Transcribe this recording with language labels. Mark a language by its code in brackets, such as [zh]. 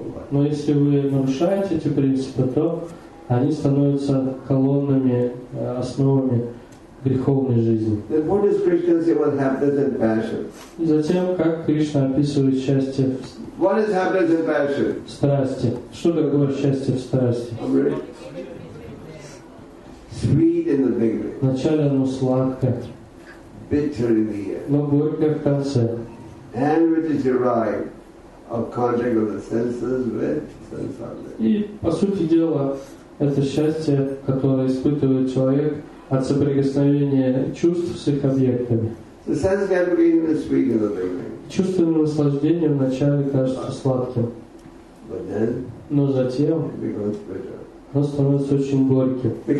[ru] Но если вы нарушаете эти принципы, то они становятся колоннами, основами греховной жизни. [en] Then what does Krishna say about happiness and passion? [ru] И затем, как Кришна описывает счастье в страсти? [en] What is happiness and passion? [ru] Страсти. Что такое счастье в страсти? [en] Sweet in the beginning. [ru] Вначале оно сладкое. [en] Bitter in the end. [ru] Но горькое в конце. [en] And which is derived of contact of the senses with sense objects. [ru] И по сути дела это счастье, которое испытывает человек от соприкосновения чувств с их объектами. Чувственное наслаждение вначале кажется сладким, но затем оно становится очень горьким.